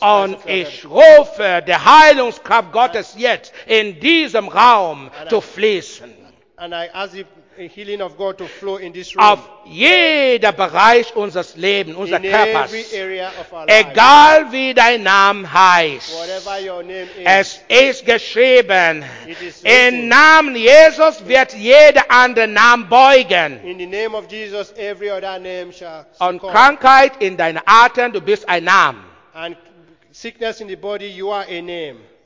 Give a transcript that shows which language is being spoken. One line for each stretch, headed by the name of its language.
German: Christ und ich rufe der Heilungskraft Gottes jetzt in diesem Raum zu fließen.
English: And I ask the healing of God to flow in this room.
German: Auf jeder Bereich unseres Lebens, unseres Körpers.
English: In every area of our
German: egal
English: life.
German: Wie dein Name heißt.
English: Whatever your name is,
German: es ist geschrieben.
English: It is
German: in Namen Jesus wird jeder andere Name beugen.
English: In the name of Jesus, every other name shall succumb.
German: Und Krankheit in deinen Atem, du bist ein Name.
English: And sickness in the body, you are a name.